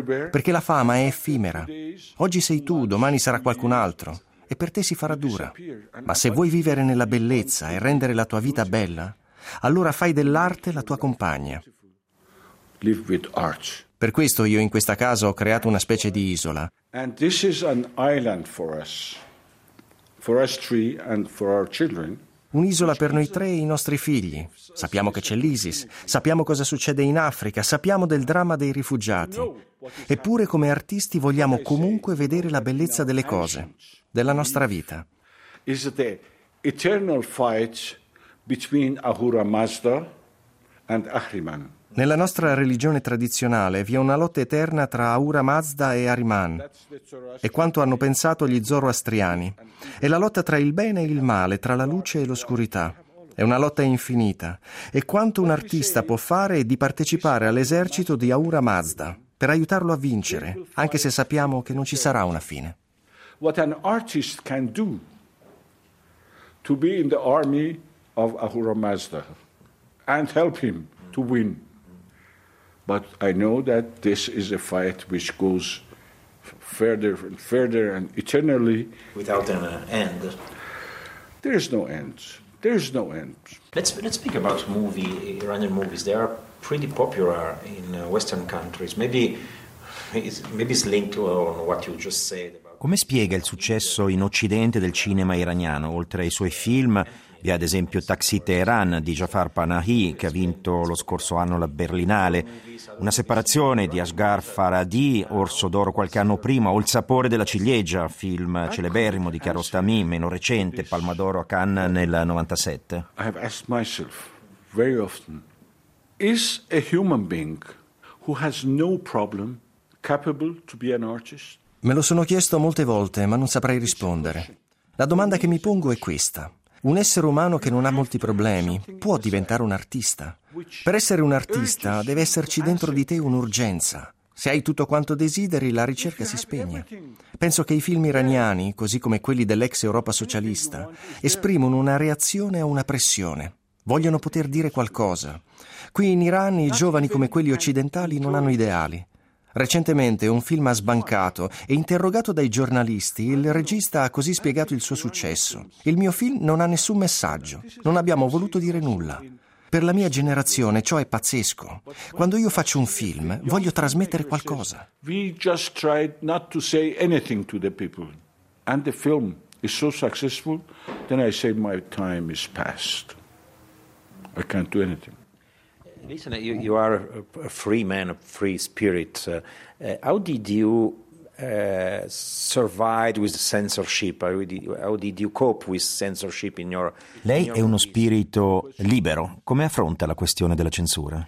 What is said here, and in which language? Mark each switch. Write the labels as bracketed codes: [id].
[it] Perché la fama è effimera. Oggi sei tu, domani sarà qualcun altro. E per te si farà dura. Ma se vuoi vivere nella bellezza e rendere la tua vita bella, allora fai dell'arte la tua compagna. [en] Live with art. [it] Per questo io in questa casa ho creato una specie di isola. [en] And this is an island for us three and for our children. [it] Un'isola per noi tre e i nostri figli. Sappiamo che c'è l'ISIS, sappiamo cosa succede in Africa, sappiamo del dramma dei rifugiati. Eppure come artisti vogliamo comunque vedere la bellezza delle cose, della nostra vita. [en] Is the eternal fight between Ahura Mazda and Ahriman. [it] Nella nostra religione tradizionale vi è una lotta eterna tra Ahura Mazda e Ahriman. È quanto hanno pensato gli zoroastriani. È la lotta tra il bene e il male, tra la luce e l'oscurità. È una lotta infinita. È quanto un artista può fare è di partecipare all'esercito di Ahura Mazda per aiutarlo a vincere, anche se sappiamo che non ci sarà una fine. [en] What an artist can do to be in the army of Ahura Mazda and help him to win. But I know that this is a fight which goes further and further and eternally. Without an end. There is no end. There is no end. Let's speak about Iranian movies. They are pretty popular in Western countries. Maybe it's linked to what you just said. [it] Come spiega il successo in Occidente del cinema iraniano, oltre ai suoi film? Vi è ad esempio Taxi Teheran di Jafar Panahi, che ha vinto lo scorso anno la Berlinale, Una separazione di Asghar Farhadi, Orso d'oro qualche anno prima, o Il sapore della ciliegia, film celeberrimo di Kiarostami, meno recente, Palma d'oro a Cannes nel 97. [en] I have asked myself very often, is a human being who has no problem capable to be an artist? [it] Me lo sono chiesto molte volte, ma non saprei rispondere. La domanda che mi pongo è questa. Un essere umano che non ha molti problemi può diventare un artista. Per essere un artista deve esserci dentro di te un'urgenza. Se hai tutto quanto desideri, la ricerca si spegne. Penso che i film iraniani, così come quelli dell'ex Europa socialista, esprimono una reazione a una pressione. Vogliono poter dire qualcosa. Qui in Iran i giovani come quelli occidentali non hanno ideali. Recentemente un film ha sbancato e, interrogato dai giornalisti, il regista ha così spiegato il suo successo. Il mio film non ha nessun messaggio, non abbiamo voluto dire nulla. Per la mia generazione ciò è pazzesco. Quando io faccio un film, voglio trasmettere qualcosa. [en] We just tried not to say anything to the people. And the film is so successful, then I say my time is past. I can't do anything. Listen, you are a free man, a free spirit. How did you survive with censorship? How did you cope with censorship in your... [it] Lei è uno spirito libero. Come affronta la questione della censura?